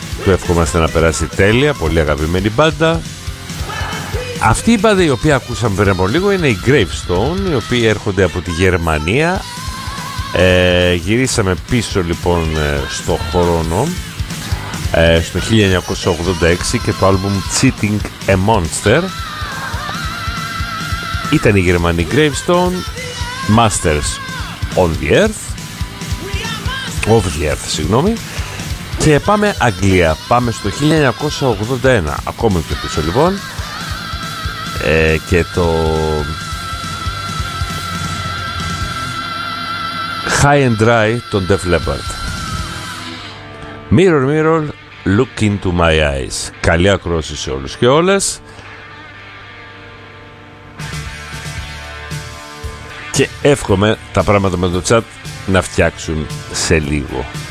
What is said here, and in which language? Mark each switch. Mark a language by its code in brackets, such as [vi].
[el] Του ευχόμαστε να περάσει τέλεια, πολύ αγαπημένη μπάντα. Αυτή η μπάντα η οποία ακούσαμε πριν από λίγο είναι η Gravestone, οι οποίοι έρχονται από τη Γερμανία. Γυρίσαμε πίσω λοιπόν στο χρόνο στο 1986 και το άλμπουμ Cheating a Monster. Ήταν η Γερμανή Gravestone, Masters on the Earth, of the Earth, συγγνώμη. Και πάμε Αγγλία, πάμε στο 1981, ακόμη πιο πίσω λοιπόν, και το High and Dry των Def Leppard. [en] Mirror, mirror, look into my eyes. [el] Καλή ακρόαση σε όλους και όλες. Και εύχομαι τα πράγματα με το chat να φτιάξουν σε λίγο.